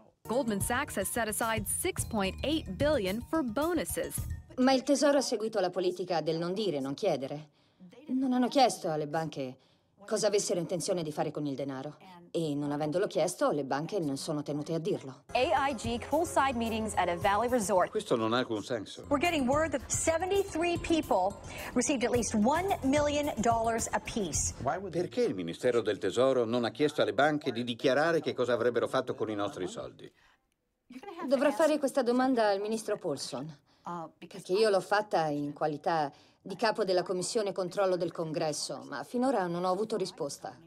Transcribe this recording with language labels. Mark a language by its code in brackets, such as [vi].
[en] Goldman Sachs has set aside $6.8 billion for bonuses. [it] Ma il Tesoro ha seguito la politica del non dire, non chiedere. Non hanno chiesto alle banche cosa avessero intenzione di fare con il denaro. E non avendolo chiesto, le banche non sono tenute a dirlo. [en] AIG poolside meetings at a valley resort. [it] Questo non ha alcun senso. [en] We're getting word that 73 people received at least $1 million apiece. [it] Perché il Ministero del Tesoro non ha chiesto alle banche di dichiarare che cosa avrebbero fatto con i nostri soldi? Dovrà fare questa domanda al ministro Paulson. Perché io l'ho fatta in qualità di capo della commissione controllo del congresso, ma finora non ho avuto risposta.